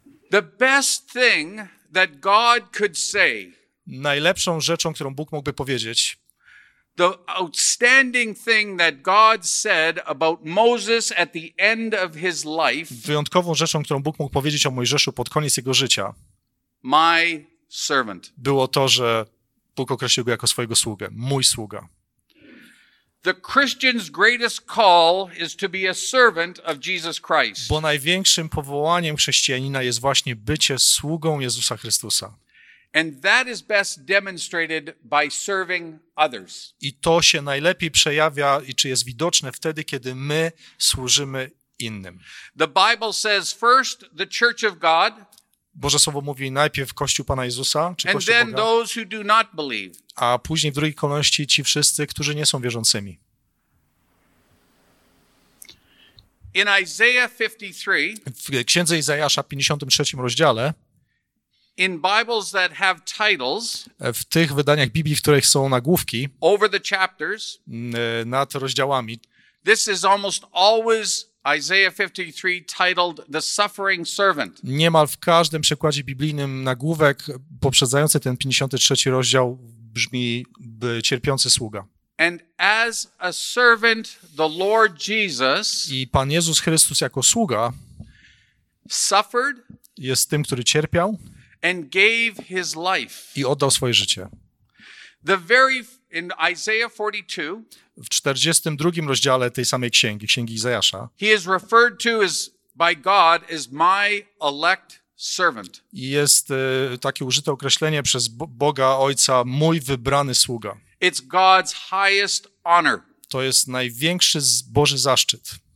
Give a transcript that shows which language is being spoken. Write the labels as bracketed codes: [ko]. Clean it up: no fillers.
[en] The best thing that God could say. [pl] Najlepszą rzeczą, którą Bóg mógłby powiedzieć. [en] The outstanding thing that God said about Moses at the end of his life. [pl] Wyjątkową rzeczą, którą Bóg mógł powiedzieć o Mojżeszu pod koniec jego życia. [en] My servant. [pl] Było to, że Bóg określił go jako swojego sługę, mój sługa. [en] The Christian's greatest call is to be a servant of Jesus Christ. [pl] Bo największym powołaniem chrześcijanina jest właśnie bycie sługą Jezusa Chrystusa. [en] And that is best demonstrated by serving others. [pl] I to się najlepiej przejawia i czy jest widoczne wtedy, kiedy my służymy innym. [en] The Bible says first the church of God. [pl] Boże Słowo mówi najpierw Kościół Pana Jezusa, czy [en] and [pl] Kościół [en] then [pl] Boga, [en] those who do not believe. [pl] A później w drugiej kolejności ci wszyscy, którzy nie są wierzącymi. [en] In Isaiah 53, [pl] w Księdze Izajasza 53 rozdziale, [en] in Bibles that have titles, [pl] w tych wydaniach Biblii, w których są nagłówki, [en] over the chapters, [pl] nad rozdziałami, [en] this is almost always Isaiah 53 titled The Suffering Servant. [pl] Niemal w każdym przekładzie biblijnym nagłówek poprzedzający ten 53 rozdział brzmi cierpiący sługa. [en] And as a servant, the Lord Jesus, [pl] i Pan Jezus Chrystus jako sługa [en] suffered, [pl] jest tym, który cierpiał [en] and gave his life. [pl] I oddał swoje życie. [en] The very in Isaiah 42, [pl] w 42 rozdziale tej samej księgi, księgi Izajasza, [en] he is referred to as by God as my elect servant. [pl] Jest takie użyte określenie przez Boga Ojca, mój wybrany sługa. [en] It's God's highest honor. [pl] To jest największy Boży zaszczyt.